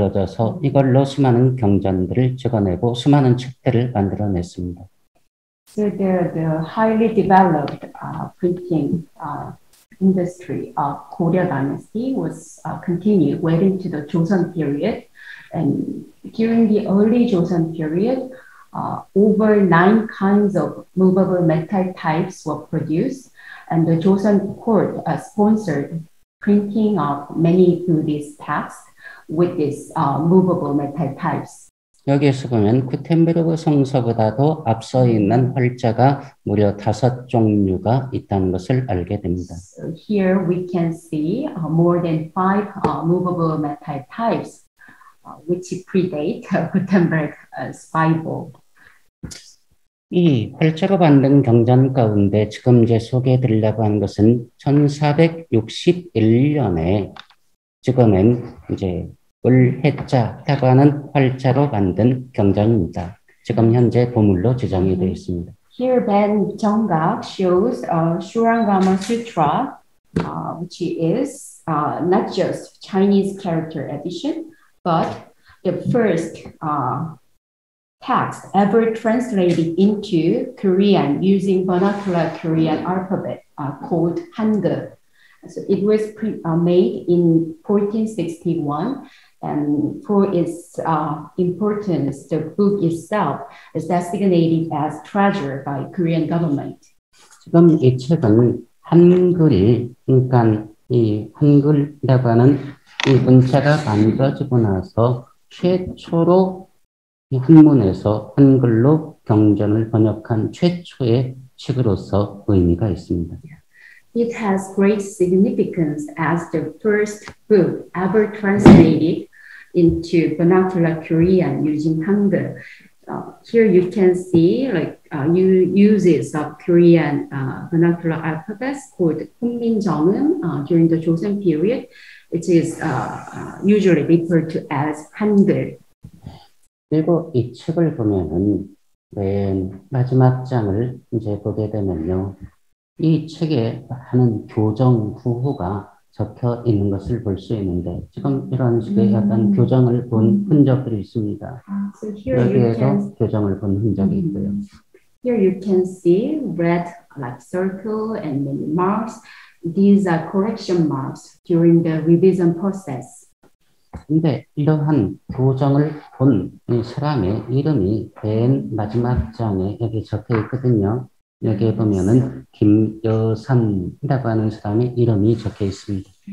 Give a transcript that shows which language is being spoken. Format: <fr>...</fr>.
<ko>So, 이걸로 수많은 경전들을 찍어내고 수많은 책들을 만들어냈습니다.</ko> <en>So the highly developed printing industry of Goryeo dynasty was continued well into the Joseon period. And during the early Joseon period, over 9 kinds of movable metal types were produced. And the Joseon court sponsored printing of many Buddhist texts with these movable metal types.</en> <ko>여기에서 보면 구텐베르크 성서보다도 앞서 있는 활자가 무려 다섯 종류가 있다는 것을 알게 됩니다.</ko> <en>So here we can see more than 5 movable metal types which predate Gutenberg's Bible.</en> <ko>이 활자로 만든 경전 가운데 지금 이제 소개해 드리려고 하는 것은 1461년에 찍어낸 이제 을해자라고 하는 활자로 만든 경전입니다. 지금 현재 보물로 지정이 되어 있습니다.</ko> <en>Here, Ben Jeonga shows a Surangama Sutra, which is not just Chinese character edition, but the first text ever translated into Korean using vernacular Korean alphabet called Hangul. So it was made in 1461. And for its importance, the book itself is designated as treasure by Korean government.</en> <ko>지금 이 책은 한글이, 그러니까 이 한글이라고 하는 이 문자가 만들어지고 나서 최초로 한문에서 한글로 경전을 번역한 최초의 책으로서 의미가 있습니다.</ko> <en>it has great significance as the first book ever translated into vernacular Korean using Hangul. Here you can see uses of Korean vernacular alphabets called Hunmin Jeongeum during the Joseon period. It is usually referred to as Hangul.</en> <ko>그리고 이 책을 보면은 맨 마지막 장을 이제 보게 되면요. 이 책에 많은 교정 구호가 적혀 있는 것을 볼 수 있는데 지금 이런 식의 약간 교정을 본 흔적들이 있습니다. So 여기에서</ko> <en>can...</en> <ko>교정을 본 흔적이 있고요.</ko> <en>Here you can see red like circle and many marks. These are correction marks during the revision process.</en> <ko>근데 이러한 교정을 본 이 사람의 이름이 맨 마지막 장에 여기 적혀 있거든요. 여기에 보면은 김여산이라고 하는 사람의 이름이 적혀 있습니다.</ko>